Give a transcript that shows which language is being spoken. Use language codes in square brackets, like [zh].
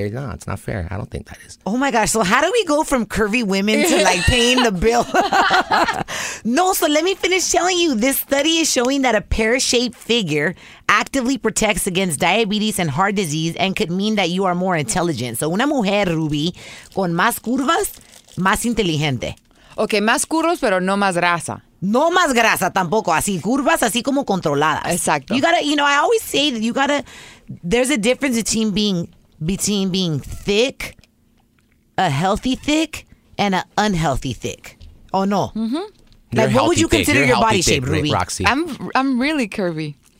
[en] No, it's not fair. I don't think that is. Oh my gosh. So how do we go from curvy women to like paying the bill? No, so let me finish telling you. This study is showing that a pear-shaped figure actively protects against diabetes and heart disease and could mean that you are more intelligent. [es] So una mujer, Ruby, con más curvas, más inteligente. Okay, más curvas, pero no más grasa. No más grasa tampoco, así curvas, así como controladas. Exacto. [en] You gotta, you know, I always say that you gotta, there's a difference between being thick, a healthy thick, and an unhealthy thick. Oh no. Mm-hmm. Like, what would you consider your body shape, Ruby? Roxy. I'm really curvy.